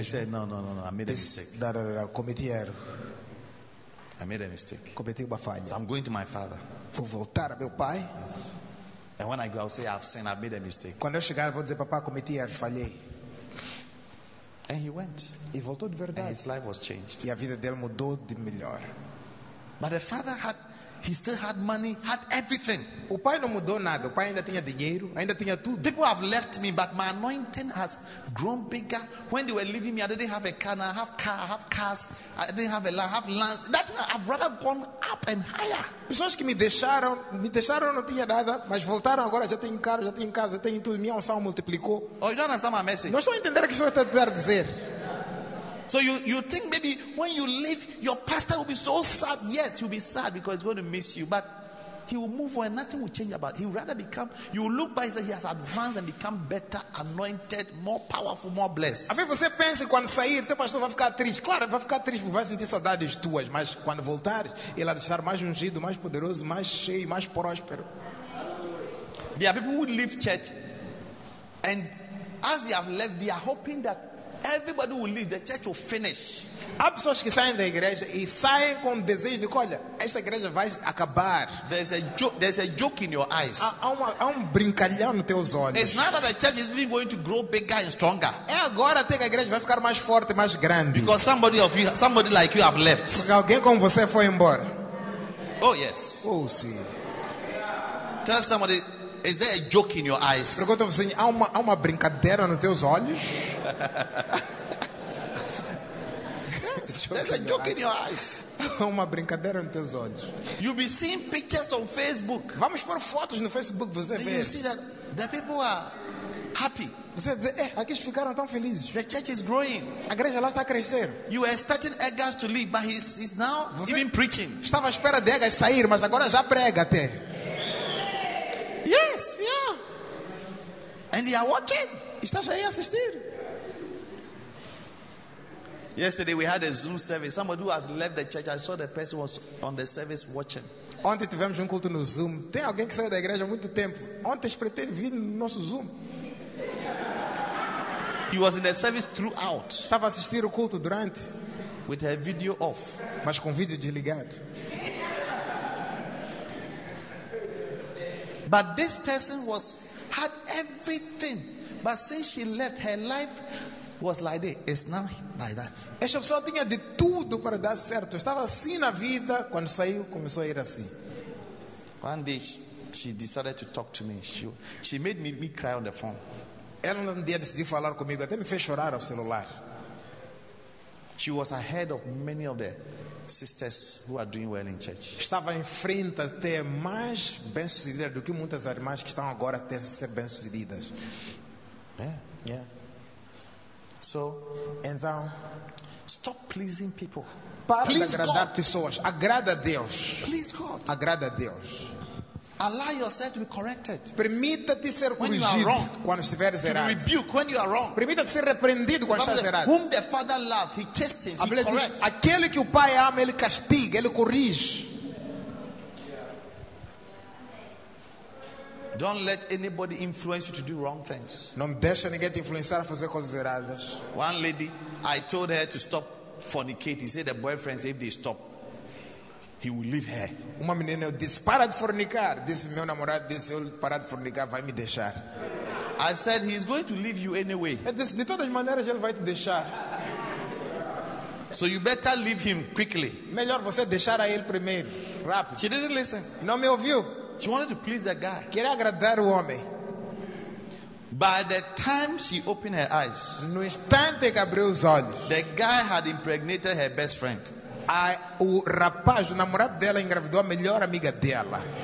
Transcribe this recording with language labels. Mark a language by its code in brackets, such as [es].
[en] He said, no, I made a mistake. [pt] Cometi erro. [en] I made a mistake. [pt] Cometi uma falha. [en] So I'm going to my father. [pt] Vou voltar ao meu pai. [en] Yes. And when I go, I'll say, I've sinned, I've made a mistake. [pt] Quando eu chegar, vou dizer, papá, cometi erro, falhei. [en] And he went. [pt] E voltou de verdade. [en] And his life was changed. [pt] E a vida dele mudou de melhor. [en] But the father had. He still had money, had everything. [pt] O pai não mudou nada. O pai ainda tinha dinheiro, ainda tinha tudo. [en] People have left me, but my anointing has grown bigger. When they were leaving me, I didn't have a car. Now I have car, I have cars. I didn't have a land, I have lands. That's not, I've rather gone up and higher. [pt] Pessoas que me deixaram, não tinha nada, mas voltaram agora, já tenho carro, já tenho casa, já tenho tudo. Minha unção multiplicou. [en] Oh, you don't understand my message. [pt] Não estou entendendo o que estou a dizer. [en] So you think maybe when you leave, your pastor will be so sad. Yes, he'll be sad because he's going to miss you. But he will move on and nothing will change about it. He'll rather become, you will look by that he has advanced and become better, anointed, more powerful, more blessed. [pt] A ver, você pensa quando sair, teu pastor vai ficar triste. Claro, vai ficar triste porque vai sentir saudades tuas. Mas quando voltares, ele vai estar mais ungido, mais poderoso, mais cheio, mais próspero. [en] There are people who leave church. And as they have left, they are hoping that everybody will leave, the church will finish. [pt] Há pessoas que saem da igreja e saem com o desejo de que, olha, esta igreja vai acabar. [en] There's a joke in your eyes. [pt] Há um brincalhão nos teus olhos. [en] It's not that the church is really going to grow bigger and stronger. [pt] É agora que a igreja vai ficar mais forte, mais grande. [en] Because somebody like you have left. [pt] Porque alguém como você foi embora. [en] Oh yes. [pt] Oh sim. [en] Tell somebody. Is there a joke in your eyes? [pt] Pergunta você, há uma brincadeira nos teus olhos? [en] There's a joke in your eyes. [pt] Há uma brincadeira nos teus olhos. [en] You'll be seeing pictures on Facebook. [pt] Vamos pôr fotos no Facebook, você vê. [en] You see that the people are happy. [pt] Você dizer, aqui ficaram tão felizes. [en] The church is growing. [pt] A igreja lá está a crescer. [en] You were expecting Edgar to leave, but he's now [pt] você [en] even preaching. [pt] Estava à espera de Edgar sair, mas agora já prega até. [en] Yes, yeah. And they are watching. [pt] Estás aí a assistir? [en] Yesterday we had a Zoom service. Somebody who has left the church. I saw the person was on the service watching. [pt] Ontem tivemos culto no Zoom. Tem alguém que saiu da igreja há muito tempo? Ontem espreitei vir no nosso Zoom. [en] He was in the service throughout. [pt] Estava a assistir o culto durante. [en] With her video off. [pt] Mas com vídeo desligado. [en] But this person was had everything, but since she left, her life was like this. It's now like that. [pt] Essa pessoa tinha de tudo para dar certo. Estava assim na vida quando saiu, começou a ir assim. [en] One day she decided to talk to me. She made me cry on the phone. [pt] Ela um dia decidiu falar comigo, até me fez chorar ao celular. [en] She was ahead of many of the sisters who are doing well in church. [pt] Estava em frente até mais bem sucedida do que muitas irmãs que estão agora até ser bem sucedidas. [en] Yeah, yeah. So, and now, stop pleasing people. [pt] Para [en] please [pt] agradar God. Pessoas. Agrada a Deus. [en] Please God. [pt] Agrada a Deus. [en] Allow yourself to be corrected. [pt] Permita-te ser corrigido [en] when you are wrong. [pt] Quando estiveres errado. [en] To rebuke when you are wrong. [pt] Permita-te ser repreendido quando estás errado. [en] Whom the Father loves, He chastens. He corrects. [pt] Aquele que o Pai ama, Ele castiga, Ele corrige. [en] Don't let anybody influence you to do wrong things. [pt] Não deixa ninguém te influenciar a fazer coisas erradas. [en] One lady, I told her to stop fornicating. Said the boyfriends, if they stop, he will leave her. [pt] Uma menina eu disse para de fornicar. Disse meu namorado, disse eu para de fornicar, vai me deixar. [en] I said he's going to leave you anyway. [pt] Disse, de todas maneiras ele vai te deixar. [en] So you better leave him quickly. [pt] Melhor você deixar a ele primeiro, rápido. [en] She didn't listen. [pt] Não me ouviu. [en] She wanted to please the guy. [pt] Queria agradar o homem. [en] By the time she opened her eyes, [pt] no instante que abriu os olhos, [en] the guy had impregnated her best friend. [pt] O rapaz, o namorado dela, engravidou a melhor amiga dela.